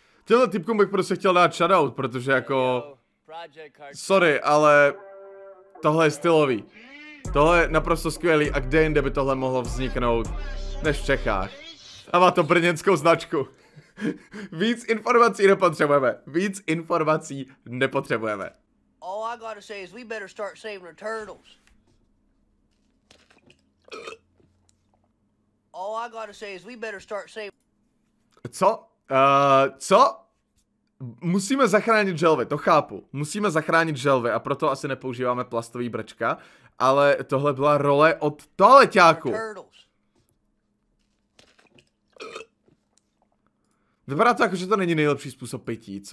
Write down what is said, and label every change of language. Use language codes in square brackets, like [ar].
[cs] Těhle typkům bych prostě chtěl dát shoutout, protože jako... Sorry, ale... Tohle je stylový. Tohle je naprosto skvělý a kde jinde by tohle mohlo vzniknout, než v Čechách. A má to brněnskou značku. Víc informací nepotřebujeme. Víc informací nepotřebujeme. [en] All I gotta say is we better start saving the turtles. All I gotta say is we better start saving... [cs] Co? Co? Musíme zachránit želvy, to chápu. Musíme zachránit želvy a proto asi nepoužíváme plastový brčka. Ale tohle byla role od toaleťáku. Vypadá to jako, že to není nejlepší způsob pití.